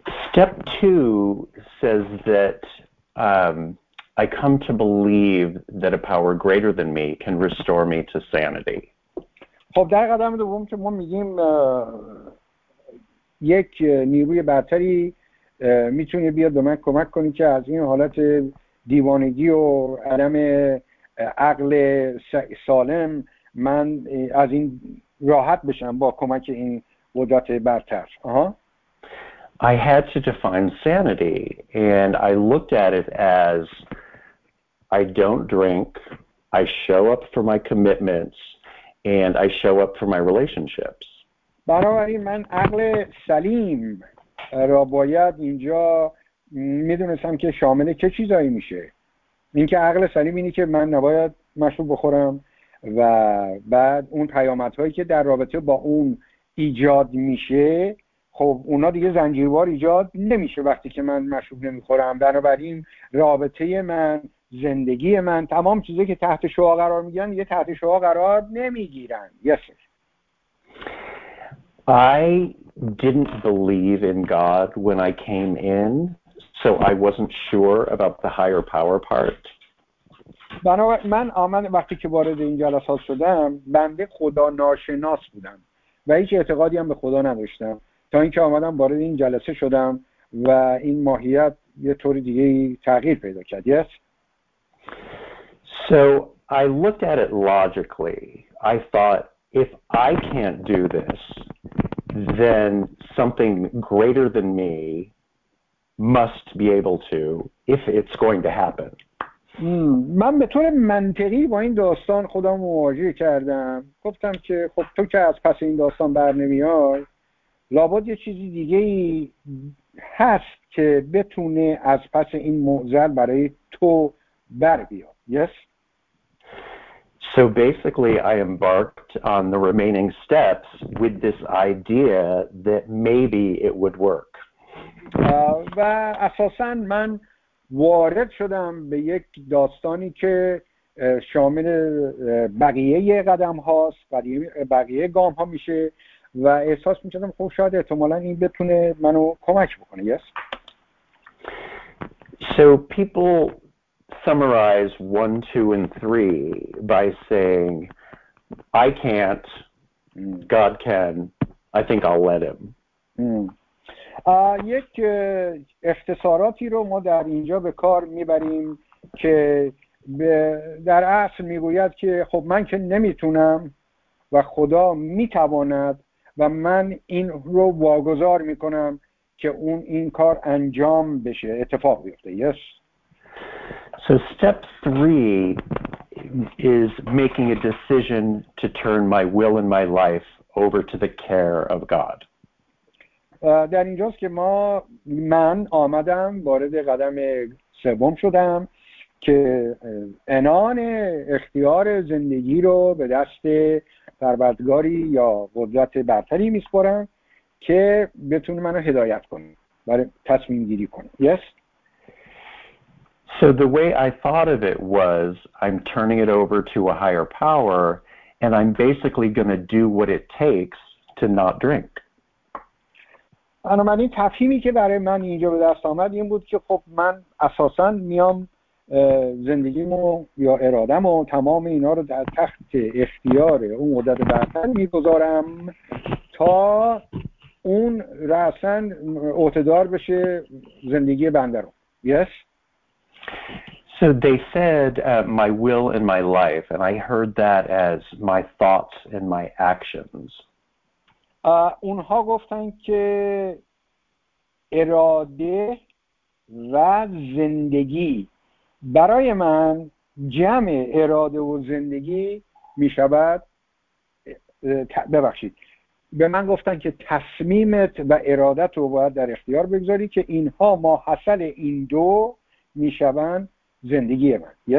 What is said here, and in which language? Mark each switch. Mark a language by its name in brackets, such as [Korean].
[English] Step two says that I come to believe that a power greater than me can restore me to sanity. [Persian] خب در قدم دوم که ما میگیم یک نیروی برتری میتونه بیاد به من کمک کنه که از این حالت دیوانگی و عدم عقل سالم من از این راحت بشم با کمک این قدرت برتر. [English] I had to define sanity, and I looked at it as I don't drink, I show up for my commitments, and I show up for my relationships. [Persian] برای من عقل سلیم را باید اینجا میدونستم که شامل چه چیزایی میشه. اینکه عقل سلیم اینی که من نباید مشروب بخورم و بعد اون پیامدهایی که در رابطه با اون ایجاد میشه، خب اونا دیگه زنجیروار ایجاد نمیشه وقتی که من مشروب نمیخورم. بنابراین رابطه من، زندگی من، تمام چیزی که تحت شعاع قرار میگیرن یه تحت شعاع قرار نمیگیرن. [English] Yes. I didn't believe in God when I came in, so I wasn't sure about the higher power part. [Persian] بنابراین من آمد وقتی که وارد این جلسات شدم بنده خدا ناشناس بودم و هیچ اعتقادی هم به خدا نداشتم تا اینکه آمدم وارد این جلسه شدم و این ماهیت یه طور دیگه تغییر پیدا کرد. [English] Yes. So I looked at it logically. I thought, if I can't do this, then something greater than me must be able to, if it's going to happen. [Persian] من به طور منطقی با این داستان خودم مواجه کردم. گفتم که خب تو که از پس این داستان بر نمیای، لابد یه چیزی دیگه هست که بتونه از پس این معضل برای تو بر بیاد. [English] Yes. So basically, I embarked on the remaining steps with this idea that maybe it would work. [Persian] و اساساً من وارد شدم به یک داستانی که شامل بقیه قدم هاست، بقیه گام ها میشه و احساس میکردم خب شاید احتمالاً این بتونه منو کمک بکنه. [English] Yes. So people summarize 1, 2, and 3 by saying, I can't, God can, I think I'll let him. [Persian] یک اختصاراتی رو ما در اینجا به کار میبریم که در اصل میگوید که خب من که نمیتونم و خدا میتواند و من این رو واگذار میکنم که اون این کار انجام بشه، اتفاق بیفته. [English] Yes. So step three is making a decision to turn my will and my life over to the care of God. [Persian] در اینجاست که من آمدم وارد قدم سوم شدم که عنان اختیار زندگی رو به دست پروردگاری یا قدرت برتری می‌سپارم که بتونه منو هدایت کنه برای تصمیم گیری کنه. [English] Yes. So the way I thought of it was, I'm turning it over to a higher power, and I'm basically going to do what it takes to not drink. [Persian] بنابراین تفهیمی که برای من اینجا به دست آمد این بود که خب من اساساً میام زندگیمو یا ارادمو تمام اینا رو در تخت اختیار اون قدرت برتر میگذارم تا اون رأساً عهده‌دار بشه زندگی بنده رو. [English] Yes. So they said my will and my life, and I heard that as my thoughts and my actions. [Persian] اونها گفتن که اراده و زندگی برای من جمع اراده و زندگی می شود، ببخشید، به من گفتن که تصمیمت و ارادت رو باید در اختیار بگذاری که اینها ما حاصل این دو می شوند زندگی من.